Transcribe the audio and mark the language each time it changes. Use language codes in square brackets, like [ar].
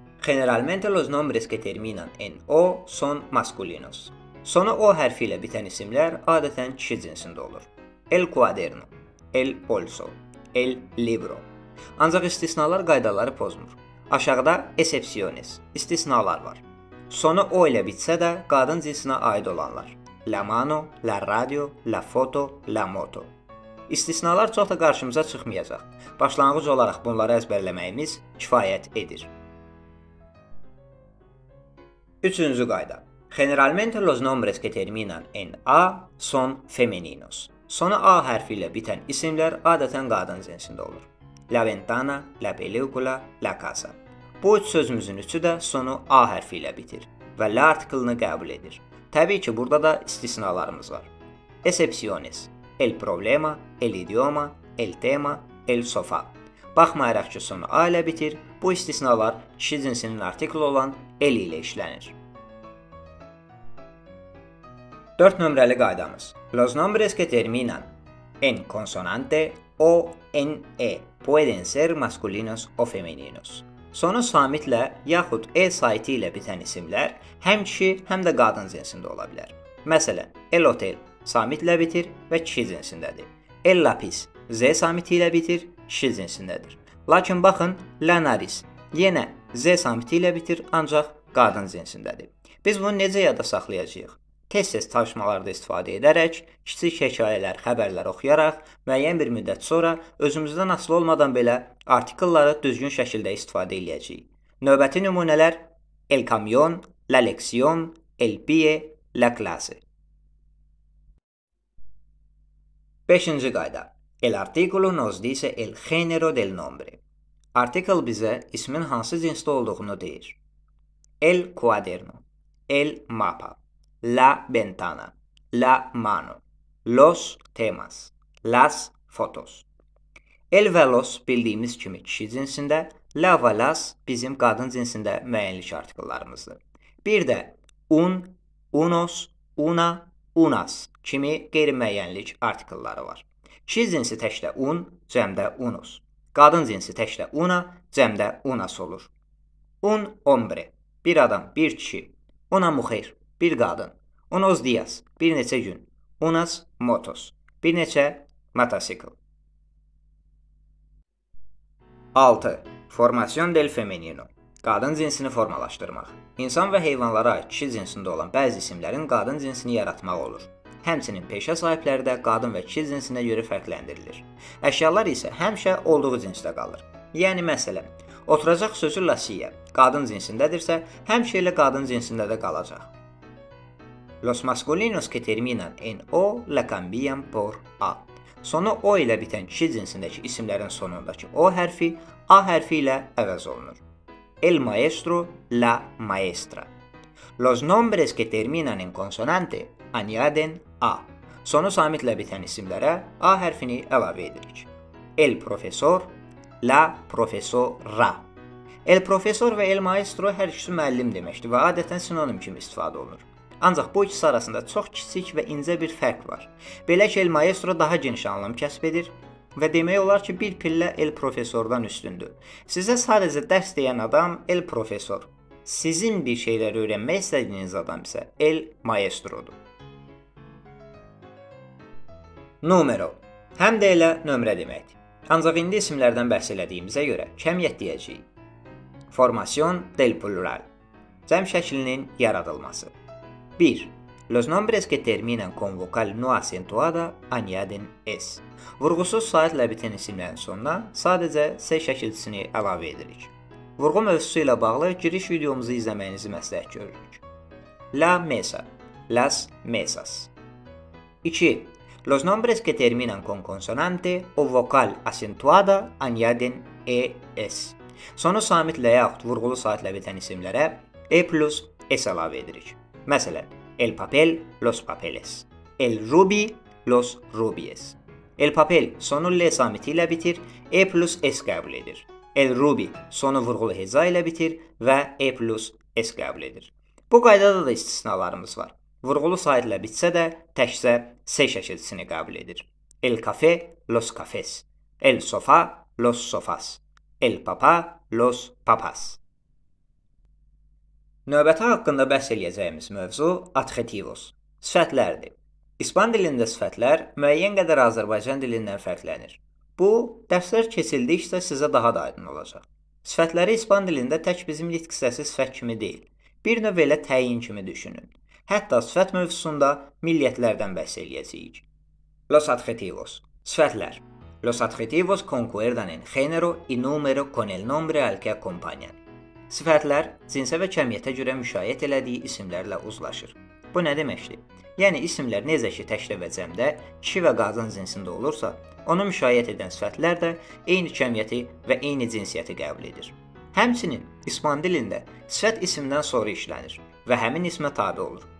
[es] Generalmente los nombres que terminan en o son masculinos. [az] Sonu o hərfi ilə bitən isimlər adətən kişi cinsində olur. [es] El cuaderno, el bolso, el libro. [az] Ancaq istisnalar qaydaları pozmur. Aşağıda excepciones, istisnalar var. Sonu o ilə bitsə də qadın cinsinə aid olanlar. [es] La mano, la radio, la foto, la moto. [az] İstisnalar çox da qarşımıza çıxmayacaq. Başlanğıc olaraq bunları əzbərləməyimiz kifayət edir. Üçüncü qayda. [es] Generalmente los nombres que terminan en A son femeninos. [az] Sonu A hərfi ilə bitən isimlər adətən qadın cinsində olur. [es] La ventana, la película, la casa. [az] Bu üç sözümüzün üçü də sonu A hərfi ilə bitir və la artıklını qəbul edir. Təbii ki, burada da istisnalarımız var. Excepciones. [es] El problema, el idioma, el tema, el sofa. [az] Baxmayaraq ki, sonu A ilə bitir, bu istisnalar kişi cinsinin artikli olan el ilə işlənir. 4 nömrəli qaydamız. [es] Los nombres que terminan en consonante o en e pueden ser masculinos o femeninos. [az] Sonu samitlə yaxud e saiti ilə bitən isimlər həm kişi, həm də qadın cinsində ola bilər. Məsələn, el hotel samitlə bitir və kişi cinsindədir. El lapis z samiti ilə bitir, kişi cinsindədir. Lakin baxın, la nariz yenə z samiti ilə bitir, ancaq qadın cinsindədir. Biz bunu necə yada saxlayacağıq? Tez-tez tanışmalarda istifadə edərək, kiçik hekayələr, xəbərlər oxuyaraq, müəyyən bir müddət sonra özümüzdən asılı olmadan belə artikulları düzgün şəkildə istifadə edəcəyik. Növbəti nümunələr [es] el camión, la lección, el pie, la clase. [az] 5-ci qayda. [es] El artículo nos dice el género del nombre. [az] Artikul bizə ismin hansı cinsdə olduğunu deyir. [es] El cuaderno, el mapa. La ventana, la mano, los temas, las fotos. [az] El və los bildiyimiz kimi kişi cinsində, la və las bizim qadın cinsində müəyyənlik artikullarımızdır. Bir də un, unos, una, unas kimi qeyri-müəyyənlik artikulları var. Kişi cinsi təkdə un, cəmdə unos. Qadın cinsi təkdə una, cəmdə unas olur. [es] Un hombre, [az] bir adam, bir kişi. [es] Una mujer. [az] Bir qadın, [es] unos días, [az] bir neçə gün, [es] unas motos, [az] bir neçə motosikl. [es] 6. Formasyon del femenino. [az] Qadın cinsini formalaşdırmaq. İnsan və heyvanlara aid kişi cinsində olan bəzi isimlərin qadın cinsini yaratmaq olur. Həmçinin peşə sahibləri də qadın və kişi cinsinə görə fərqləndirilir. Əşyalar isə həmişə olduğu cinsdə qalır. Yəni, məsələn, oturacaq sözü la silla qadın cinsindədirsə, həmişə ilə qadın cinsində də qalacaq. [es] Los masculinos que terminan en O la cambian por A. [az] Sonu O ilə bitən kişi cinsindəki isimlərin sonundakı O hərfi A hərfi ilə əvəz olunur. [es] El maestro, la maestra. Los nombres que terminan en consonante añaden A. [az] Sonu samitlə bitən isimlərə A hərfini əlavə edirik. [es] El profesor, la profesora. [az] El profesor və el maestro hər ikisi müəllim deməkdir və adətən sinonim kimi istifadə olunur. Ancaq bu ikisi arasında çox kiçik və incə bir fərq var. Belə ki, el maestro daha geniş anlam kəsb edir və demək olar ki, bir pillə el profesordan üstündür. Sizə sadəcə dərs deyən adam el profesor. Sizin bir şeyləri öyrənmək istədiyiniz adam isə el maestrodur. Numero. Həm də elə nömrə deməkdir. Ancaq indi isimlərdən bəhs elədiyimizə görə kəmiyyət deyəcəyik. [es] Formasyon del plural. [az] Cəm şəklinin yaradılması. 1. [es] Los nombres que terminan con vocal no acentuada añaden s. [az] Vurğusuz saitlə bitən isimlərin sonuna sadəcə s şəkilçisini əlavə edirik. Vurğu mövzusu ilə bağlı giriş videomuzu izləməyinizi məsləhət görürük. [es] La mesa, las mesas. 2. Los nombres que terminan con consonante o vocal acentuada añaden es. [az] Sonu samitlə yaxud vurğulu saitlə bitən isimlərə e plus s əlavə edirik. [es] Məsələn, el papel, los papeles. El rubi, los rubies. [az] El papel sonu L samiti ilə bitir, E plus S qəbul edir. El rubi sonu vurğulu heza ilə bitir və E plus S qəbul edir. Bu qaydada da istisnalarımız var. Vurğulu sayt ilə bitsə də, təkcə S şəkilçisini qəbul edir. [es] El kafe, los cafes. El sofa, los sofas. El papa, los papas. [az] Növbəti haqqında bəhs eləyəcəyimiz mövzu adjetivos, sifətlərdir. İspan dilində sifətlər müəyyən qədər Azərbaycan dilindən fərqlənir. Bu, dərslər keçildikcə sizə daha da aydın olacaq. Sifətləri ispan dilində tək bizim lit qisəsi sifət kimi deyil. Bir növ elə təyin kimi düşünün. Hətta sifət mövzusunda milliyyətlərdən bəhs eləyəcəyik. [es] Los adjetivos. Sifətlər. Los adjetivos concuerdan en género y número con el nombre al que acompañan. [az] Sifətlər cinsə və kəmiyyətə görə müşayiət elədiyi isimlərlə uzlaşır. Bu nə deməkdir? Yəni isimlər necə ki təkdə və cəmdə kişi və qadın cinsində olursa, onu müşayiət edən sifətlər də eyni kəmiyyəti və eyni cinsiyyəti qəbul edir. Həmçinin ispan dilində sifət isimdən sonra işlənir və həmin ismə tabi olur.